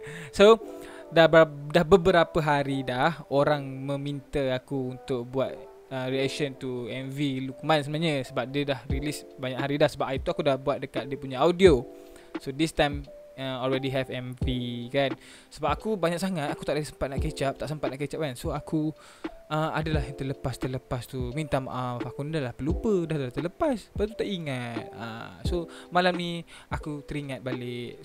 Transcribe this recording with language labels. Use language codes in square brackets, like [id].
[ms] So dah beberapa hari dah orang meminta aku untuk buat [en] reaction to [ms] MV Luqman sebenarnya. Sebab dia dah [en] release [ms] banyak hari dah. Sebab itu aku dah buat dekat dia punya audio. [en] So this time already have MV [ms] kan. Sebab aku banyak sangat, aku tak ada sempat nak [en] catch up. [ms] So aku adalah yang terlepas tu. Minta maaf, aku ni dah lah pelupa, dah terlepas. Lepas tu tak ingat. So malam ni aku teringat balik.